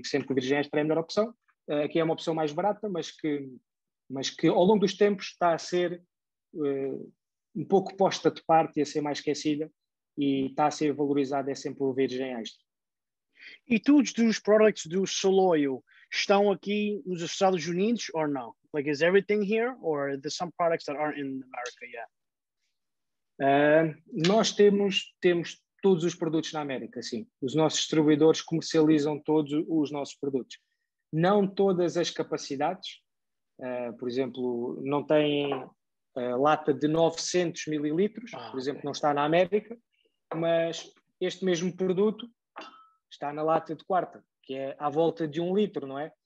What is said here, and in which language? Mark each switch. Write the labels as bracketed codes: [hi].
[pt] Eu digo sempre que o virgem extra é a melhor opção. Aqui é uma opção mais barata, mas que ao longo dos tempos está a ser um pouco posta de parte e a ser mais esquecida, e está a ser valorizada, é sempre o virgem extra. E todos os products do Saloio estão aqui nos Estados Unidos ou não? [en] Like, is everything here or are there some products that aren't in America yet? [pt] Nós temos todos os produtos na América, sim. Os nossos distribuidores comercializam todos os nossos produtos. Não todas as capacidades, por exemplo, não têm lata de 900 mililitros, por exemplo, não está na América, mas este mesmo produto está na lata de quarta, que é à volta de um litro, não é?